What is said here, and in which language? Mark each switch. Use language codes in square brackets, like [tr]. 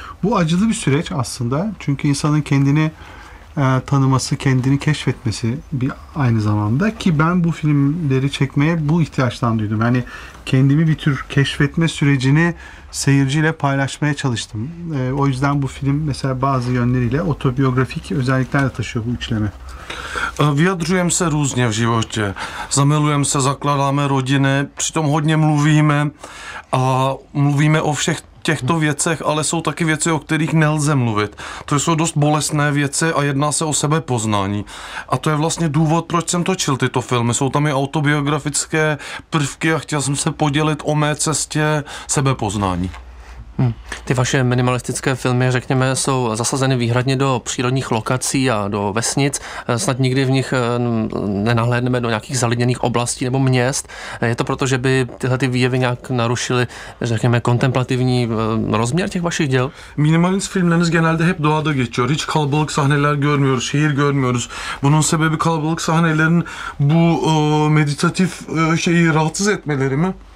[tr] Bu acılı bir süreç aslında. Çünkü insanın kendini tanıması, kendini keşfetmesi bir aynı zamanda. Ki ben bu filmleri çekmeye bu ihtiyaçtan duydum. Yani kendimi bir tür keşfetme sürecini seyirciyle paylaşmaya çalıştım. O yüzden bu film mesela bazı yönleriyle otobiyografik özellikler de taşıyor bu üçleme. [cs] Vyjadřujem se různě v životě. Zamilujeme se, zakládáme rodiny, přitom hodně mluvíme a mluvíme o všech těchto věcech, ale jsou taky věci, o kterých nelze mluvit. To jsou dost bolestné věci a jedná se o sebepoznání. A to je vlastně důvod, proč jsem točil tyto filmy. Jsou tam i autobiografické prvky a chtěl jsem se podělit o mé cestě sebepoznání. Ty vaše minimalistické filmy, řekněme, jsou zasazeny výhradně do přírodních lokací a do vesnic. Snad nikdy v nich nenahlédneme do nějakých zalidněných oblastí nebo měst. Je to proto, že by tyhle ty výjevy nějak narušily, řekněme, kontemplativní rozměr těch vašich děl? [tr] Minimalist filmleriniz genelde hep doğada geçiyor. Hiç kalabalık sahneler görmüyoruz, şehir görmüyoruz. Bunun sebebi kalabalık sahnelerin bu meditatif şeyi rahatsız etmeleri mi?